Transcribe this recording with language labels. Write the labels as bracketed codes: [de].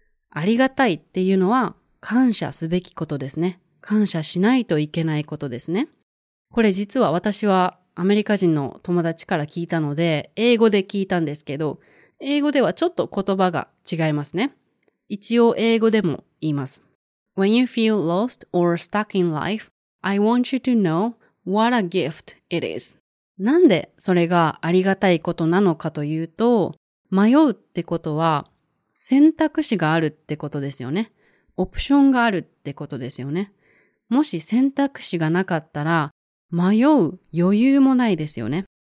[ja] ありがたいっていうのは感謝すべきことですね。感謝しないといけないことですね。これ実は私はアメリカ人の友達から聞いたので、英語で聞いたんですけど、英語ではちょっと言葉が違いますね。一応英語でも言います。 [en] When you feel lost or stuck in life, I want you to know what a gift it is. [ja] なんでそれがありがたいことなのかというと、迷うってことは選択肢があるってことですよね。オプションがあるってことですよね。もし選択肢がなかったら、迷う余裕もないですよね。